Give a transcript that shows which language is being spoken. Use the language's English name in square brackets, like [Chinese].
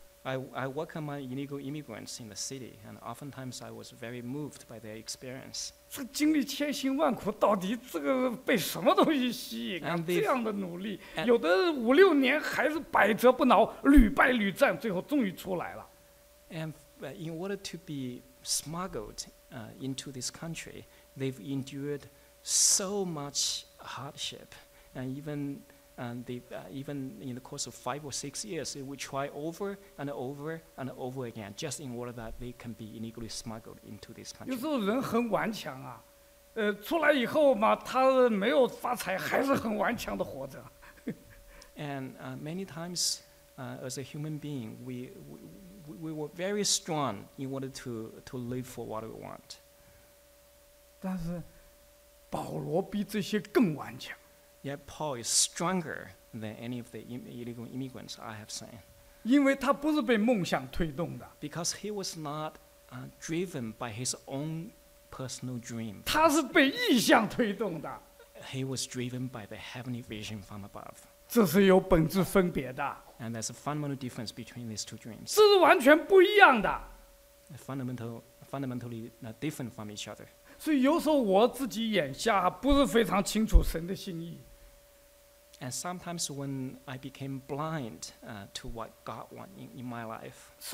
[English] I work among illegal immigrants in the city, and oftentimes I was very moved by their experience. [Chinese] 这经历千辛万苦，到底这个被什么东西吸引啊？这样的努力，有的五六年还是百折不挠，屡败屡战，最后终于出来了。 [English] And in order to be smuggled into this country, they've endured so much hardship, and even in the course of 5 or 6 years, they would try over and over and over again, just in order that they can be illegally smuggled into this country. [Chinese] 有时候人很顽强啊, 出来以后嘛, 他没有发财, 还是很顽强地活着。 [English] And many times, as a human being, we were very strong in order to live for what we want. [Chinese] 但是保罗比这些更顽强。 [English] Yet Paul is stronger than any of the illegal immigrants I have seen. [Chinese] 因为他不是被梦想推动的。 [English] Because he was not driven by his own personal dream. [Chinese] 他是被意向推动的。 [English] He was driven by the heavenly vision from above. [Chinese] 这是有本质分别的。 [English] And there's a fundamental difference between these two dreams. [Chinese] 这是完全不一样的。 [English] Fundamentally different from each other. [Chinese] 所以有时候我自己眼瞎，不是非常清楚神的心意。 [English] And sometimes when I became blind to what God wanted in my life,